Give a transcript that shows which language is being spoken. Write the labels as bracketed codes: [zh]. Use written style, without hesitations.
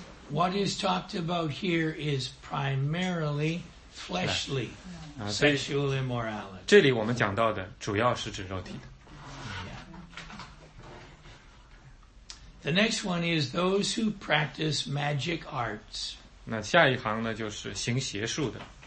[en] What is talked about here is primarily fleshly sexual immorality. [zh] 这里我们讲到的主要是指肉体的。 [en] The next one is those who practice magic arts. [zh] 那下一行呢就是行邪术的。